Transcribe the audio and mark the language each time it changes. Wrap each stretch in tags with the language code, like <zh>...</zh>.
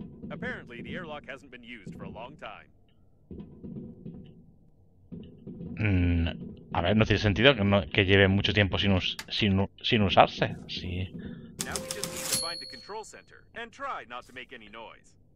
<en>Apparently, the airlock hasn't been used for a long time.</en> <es>A ver, no tiene sentido que, no, que lleve mucho tiempo sin usarse. Sí.</es> <en>Now we just need to find the control center and try not to make any noise.</en>